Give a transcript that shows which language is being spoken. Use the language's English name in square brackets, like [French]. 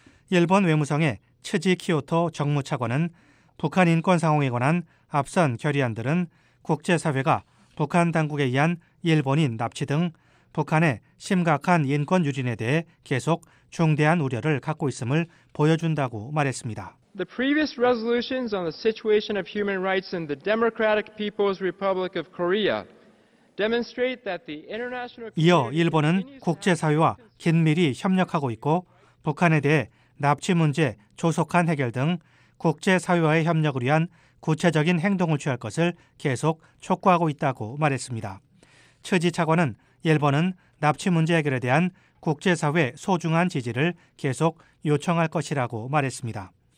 [Korean] 일본 외무성의 츠지 키오토 정무차관은 북한 인권 상황에 관한 앞선 결의안들은 국제사회가 북한 당국에 의한 일본인 납치 등 북한의 심각한 인권 유린에 대해 계속 중대한 우려를 갖고 있음을 보여준다고 말했습니다. [English] The previous resolutions on the situation of human rights in the Democratic People's Republic of Korea demonstrate that the international. [Korean] 이어 일본은 국제사회와 긴밀히 협력하고 있고 북한에 대해 납치 문제, 조속한 해결 등 국제사회와의 협력을 위한 구체적인 행동을 취할 것을 계속 촉구하고 있다고 말했습니다. 처지 차관은 일본은 납치 문제 해결에 대한 국제사회의 소중한 지지를 계속 요청할 것이라고 말했습니다.